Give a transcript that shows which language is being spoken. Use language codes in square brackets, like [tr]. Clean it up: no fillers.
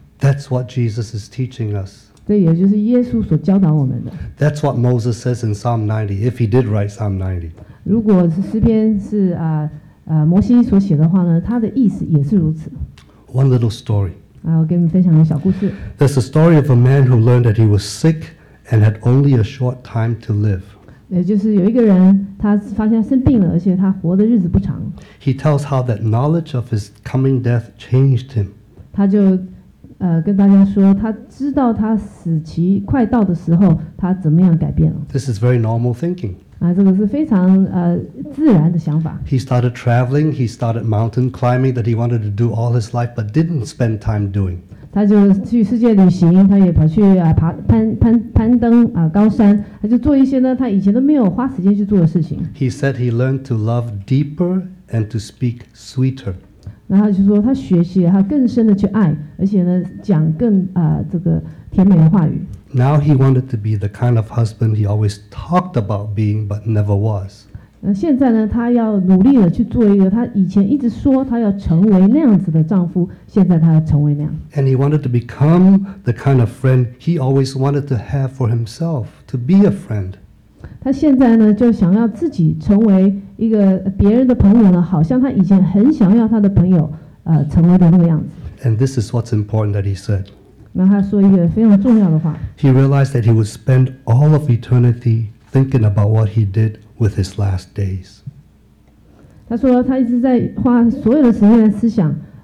[en] That's what Jesus is teaching us. [zh] 这也就是耶稣所教导我们的。 [en] That's what Moses says in Psalm 90, if he did write Psalm 90. [zh] 如果诗篇是摩西所写的话呢，他的意思也是如此。 [en] One little story. [zh] 我给你们分享一个小故事。 [en] There's a story of a man who learned that he was sick and had only a short time to live. [zh] 也就是有一个人，他发现他生病了，而且他活的日子不长。 [en] He tells how that knowledge of his coming death changed him. [zh] 他就跟大家说，他知道他死期快到的时候，他怎么样改变了。 [en] This is very normal thinking. [zh] 这个是非常自然的想法。 [en] He started traveling, he started mountain climbing that he wanted to do all his life but didn't spend time doing. [zh] 他就去世界旅行，他也跑去攀登高山，他就做一些呢，他以前都没有花时间去做的事情。 [en] He said he learned to love deeper and to speak sweeter. [zh] 然后就说他学习了，他更深的去爱，而且呢，讲更这个甜美的话语。 [en] Now he wanted to be the kind of husband he always talked about being, but never was. [zh] 现在呢，他要努力的去做一个他以前一直说他要成为那样子的丈夫，现在他要成为那样。 [en] And he wanted to become the kind of friend he always wanted to have for himself, to be a friend. [zh] 他现在呢，就想要自己成为一个别人的朋友呢，好像他以前很想要他的朋友，成为的那个样子。 [en] And this is what's important that he said. [zh] 那他说一个非常重要的话。 [en] He realized that he would spend all of eternity thinking about what he did with his last days. [zh] 他说他一直在花所有的时间来思想，